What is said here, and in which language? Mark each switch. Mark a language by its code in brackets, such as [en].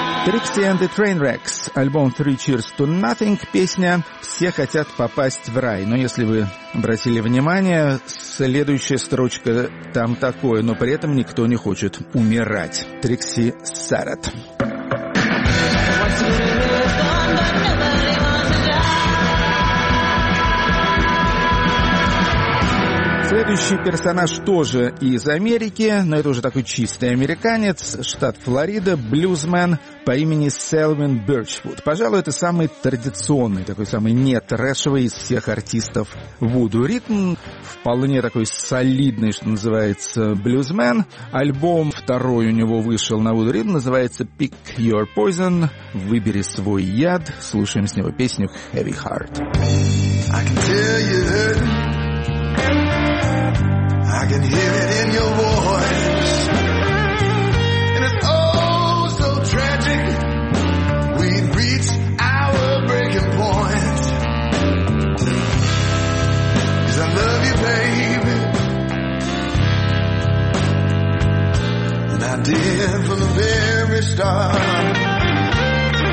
[ru] Trixie and the Trainwrecks, альбом Three Cheers to Nothing, песня «Все хотят попасть в рай». Но если вы обратили внимание, следующая строчка там такое, но при этом никто не хочет умирать. Trixie Sarrett. Следующий персонаж тоже из Америки, но это уже такой чистый американец, штат Флорида, блюзмен по имени Селвин Бёрчвуд. Пожалуй, это самый традиционный, такой самый нетрэшевый из всех артистов Вуду. Ритм вполне такой солидный, что называется, блюзмен. Альбом второй у него вышел на Вуду Ритм, называется «Pick Your Poison», «Выбери свой яд». Слушаем с него песню «Heavy Heart». [en] I can tell you that. I can hear it in your voice, and it's oh so tragic. We've reached our breaking point. 'Cause I love you, baby, and I did from the very start.